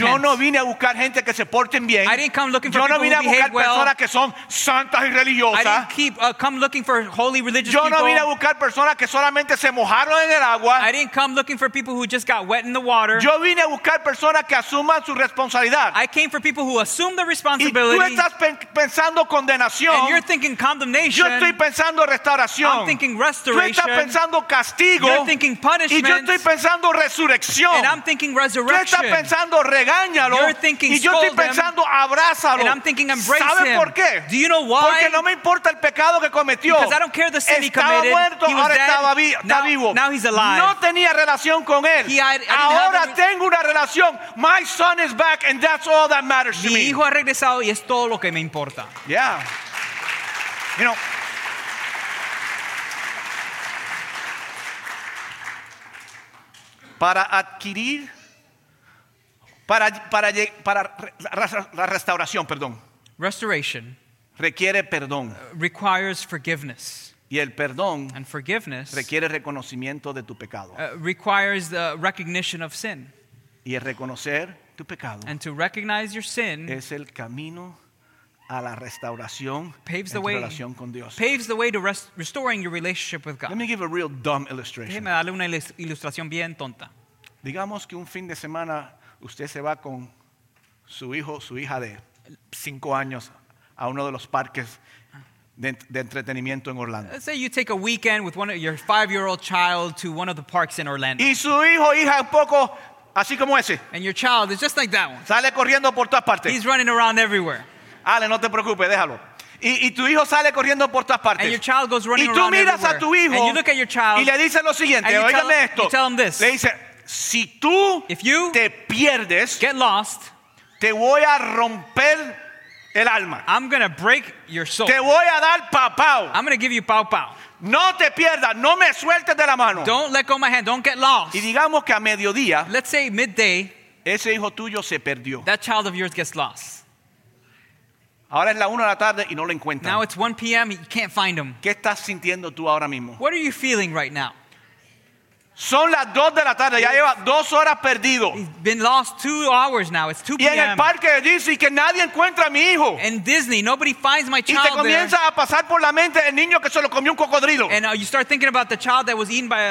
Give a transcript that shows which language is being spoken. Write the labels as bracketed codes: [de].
[es] Yo no vine a buscar gente que se porten bien. [en] I didn't come looking [es] yo [en] for [es] no [en] people [es] vine a buscar [en] well. [es] Personas que son santas y religiosas. [en] I didn't keep, come looking for holy religious [es] yo [en] people. [es] Yo no vine a buscar personas que solamente se mojaron en el agua. [en] I didn't come looking for people who just got wet in the water. [es] Yo vine a buscar personas que asuman su responsabilidad. [en] I came for people who assume the responsibility. [es] Y tú estás pensando condenación. [en] And you're thinking condemnation. [es] Yo estoy pensando restauración. [en] I'm thinking restoration. [es] Tú estás pensando castigo. [en] You're thinking punishment. [es] Y yo estoy pensando resurrección. [en] And I'm thinking resurrection. [es] Tú estás pensando regáñalo. [en] You're thinking scold him. [es] Y yo estoy pensando abrázalo. [en] And I'm thinking embrace him. [es] ¿Sabes por qué? [en] Do you know why? [es] Porque no me importa el pecado que cometió. [en] Because I don't care the sin he committed. [es] Estaba muerto, ahora estaba vivo. [en] Now he's alive. [es] No tenía relación con él. Ahora tengo una relación. [en] My son is back and that's all that matters to me. [es] Mi hijo ha regresado y es todo lo que me importa. [en] Yeah. You know, [es] para adquirir para la restauración, perdón. [en] Restoration [es] requiere perdón. [en] Requires forgiveness. [es] Y el perdón [en] and forgiveness [es] requiere reconocimiento de tu pecado. [en] Requires the recognition of sin. [es] Y el reconocer tu pecado [en] and to recognize your sin [es] es el camino a la restauración [en] paves the [es] en tu [en] way, [es] relación con Dios. [en] Paves the way to restoring your relationship with God. Let me give a real dumb illustration. [es] Déjeme darle una ilustración bien tonta. Digamos que un fin de semana usted se va con su hijo, su hija de 5 años a uno de los parques de entretenimiento en Orlando. [en] Let's say you take a weekend with one of your 5-year-old child to one of the parks in Orlando. [es] Y su hijo, hija, un poco así como ese. [en] And your child is just like that one. [es] Sale corriendo por todas partes. [en] He's running around everywhere. [es] Ale, no te preocupes, déjalo. Y tu hijo sale corriendo por todas partes. [en] And your child goes running around everywhere. [es] Y tú miras a tu hijo. [en] And you look at your child. [es] Y le dices lo siguiente, óigame esto. [en] You tell him this. [es] Le dice, si tú [en] if you [es] te pierdes, [en] get lost, [es] te voy a romper el alma. [en] I'm going to break your soul. [es] Te voy a dar pau pau. [en] I'm going to give you pau pau. [es] No te pierdas, no me sueltes de la mano. [en] Don't let go my hand, don't get lost. [es] Y digamos que a mediodía, [en] let's say midday, [es] ese hijo tuyo se perdió. [en] That child of yours gets lost. [es] Ahora es la 1 de la tarde y no lo encuentran. [en] Now it's 1 p.m. you can't find him. [es] ¿Qué estás sintiendo tú ahora mismo? [en] What are you feeling right now? [es] Son las 2 de la tarde, ya lleva 2 horas perdido. [en] He's been lost 2 hours now. It's 2 p.m. [es] Y en el parque de Disney que nadie encuentra a mi hijo. [en] In Disney, nobody finds my child. [es] Y te comienza [en] there. [es] A pasar por la mente el niño que se lo comió un cocodrilo. [en] And you start thinking about the child that was eaten by a